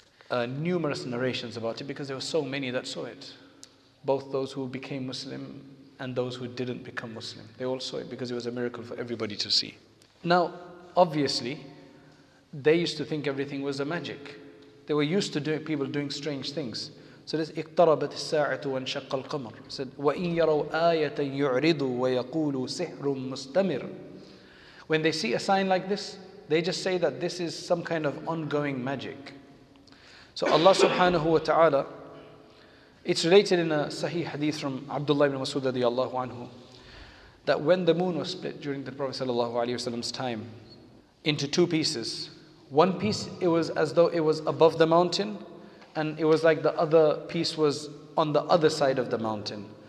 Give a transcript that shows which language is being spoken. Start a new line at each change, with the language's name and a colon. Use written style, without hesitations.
English: Numerous narrations about it, because there were so many that saw it. Both those who became Muslim and those who didn't become Muslim, they all saw it because it was a miracle for everybody to see. Now, obviously, they used to think everything was a magic. They were used to people doing strange things. So this
Arabic: اِقْتَرَبَتِ السَّاعَةُ وَانْشَقَّ الْقَمَرُ
English: said,
Arabic: وَإِنْ يَرَوْا آيَةً يُعْرِضُوا وَيَقُولُوا سِحْرٌ مُسْتَمِرٌ.
English: When they see a sign like this, they just say that this is some kind of ongoing magic. So Allah subhanahu wa ta'ala, it's related in a sahih hadith from Abdullah ibn Mas'ud radiallahu anhu, that when the moon was split during the Prophet sallallahu alayhi wa sallam's time into two pieces, one piece, it was as though it was above the mountain, and it was like the other piece was on the other side of the mountain.